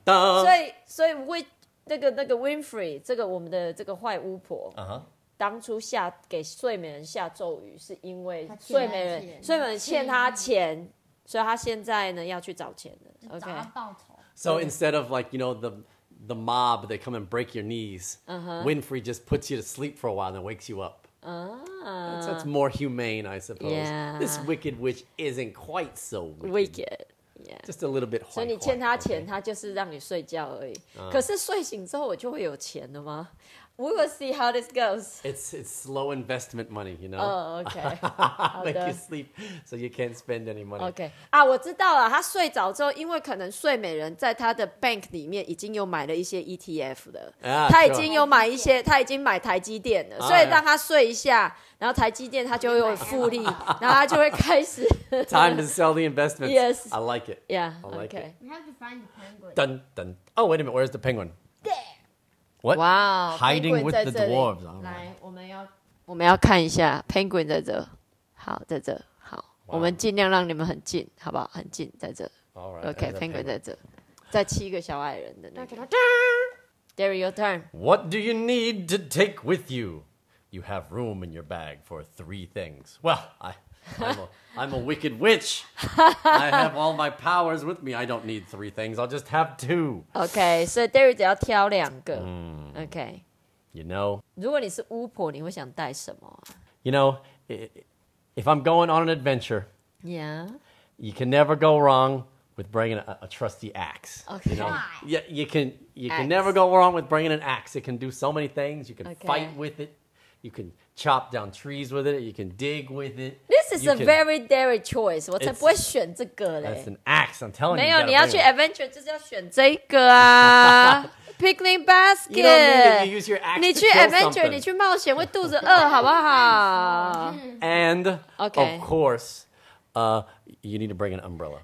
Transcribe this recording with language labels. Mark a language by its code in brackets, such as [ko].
[zh] 哦，所以 Winfrey 这个我们的这个坏巫婆，当初下给睡美人下咒语，是因为睡美人欠他钱，所以他现在呢要去找钱的。 [en] OK， [zh] 报仇。 [en] So instead of like you know the mob, they come and break your knees. Winfrey just puts you to sleep for a while and wakes you up. That's more humane, I suppose. Yeah. This wicked witch isn't quite so wicked. Wicked, yeah. Just a little bit hard. [zh] 所以你欠他钱，他就是让你睡觉而已。可是睡醒之后，我就会有钱了吗？ [en] We will see how this goes. It's slow investment money, you know? Oh, okay. Make you sleep so you can't spend any money. Okay. [zh] 啊，我知道了。他睡着之后，因为可能睡美人在他的 bank 里面已经有买了一些 ETF 的。 [en] Yeah, [zh] 他已经有买一些，他已经买台积电了。所以让他睡一下，然后台积电他就会有复利，然后他就会开始。 [en] Time to sell the investments. Yes. I like it. Yeah, I like okay. it. We have to find the penguin. Dun, dun. Oh, wait a minute. Where's the penguin? There. What? Wow, hiding with the dwarves. [zh] 来，我们要看一下 penguin 在这。好，在这。好， wow. 我们尽量让你们很近，好不好？很近，在这。 [en] All right. Okay, penguin [zh] 在这，在七个小矮人的那个。 [en] Derry, your turn. What do you need to take with you? You have room in your bag for three things. Well, I'm a wicked witch. I have all my powers with me. I don't need three things. I'll just have two. Okay, so [zh] Derry 只要挑两个。 [en] Okay. You know, [zh] 如果你是巫婆，你会想带什么？ [en] You know, if I'm going on an adventure, yeah, you can never go wrong with bringing a trusty axe. Okay. You know? Yeah, you can never go wrong with bringing an axe. It can do so many things. You can fight with it. You can chop down trees with it. You can dig with it. This is a very daring choice. [zh] 我才不会选这个嘞。 [en] That's an axe. I'm telling you. [zh] 没有，你要去 adventure 就是要选这个啊。 [en] Picnic basket. You don't need to use your axe to kill something. [zh] 你去 adventure， 你去冒险会肚子饿，好不好？ [en] And of course, you need to bring an umbrella.